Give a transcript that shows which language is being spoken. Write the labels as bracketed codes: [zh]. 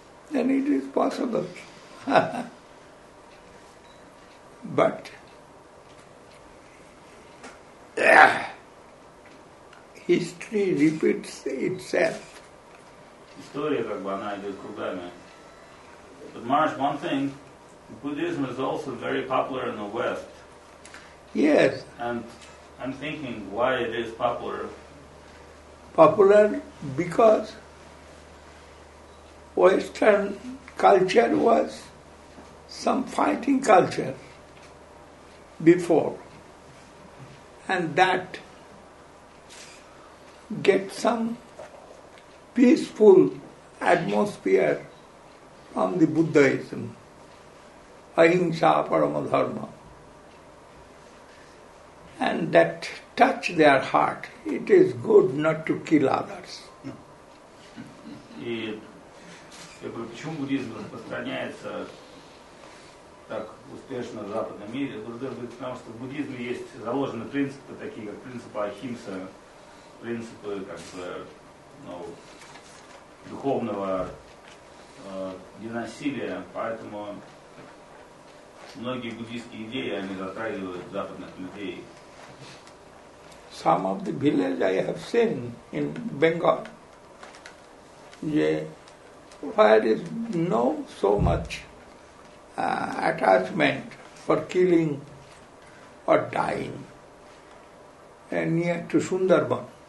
[en] Then it is possible. But... History repeats itself. [ru] История как бы она идет кругами. [en] But Maharaj, one thing, Buddhism is also very popular in the West. Yes. And I'm thinking why it is popular. Popular because Western culture was some fighting culture before. And that get some peaceful atmosphere from the Buddhism, [sa] ahimsa parama dharma, [en] and that touch their heart. It is good not to kill others. [ru] И я говорю, почему буддизм распространяется так успешно в западном мире? Потому что в буддизме есть заложены принципы такие как принципы ахимса. Принципы как бы, ну, духовного ненасилия, поэтому многие буддийские идеи они затрагивают западных людей. [en] Some of the villages I have seen in Bengal, where is no so much attachment for killing or dying, and near to Sundarban.